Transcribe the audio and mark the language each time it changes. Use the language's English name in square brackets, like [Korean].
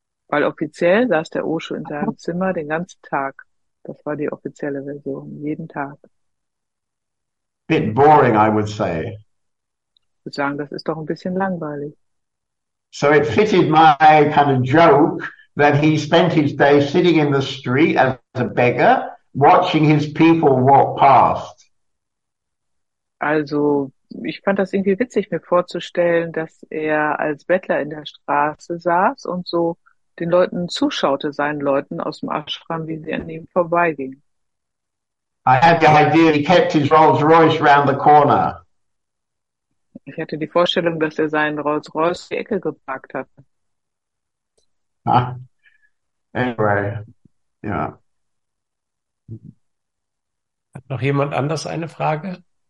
[German] Weil offiziell saß der Osho in seinem Zimmer den ganzen Tag. Das war die offizielle Version, jeden Tag. [English] Bit boring, I would say. [German] Ich würde sagen, das ist doch ein bisschen langweilig. [English] So it fitted my kind of joke that he spent his day sitting in the street as a beggar, watching his people walk past. [German] Also, ich fand das irgendwie witzig, mir vorzustellen, dass er als Bettler in der Straße saß und so den Leuten zuschaute, seinen Leuten aus dem Ashram, wie sie an ihm vorbeigingen. [English] I had the idea he kept his Rolls Royce round the corner. [German] Ich hatte die Vorstellung, dass er seinen Rolls-Royce in die Ecke geparkt hat. [English] Ah, anyway, ja. [German] Hat noch jemand anders eine Frage?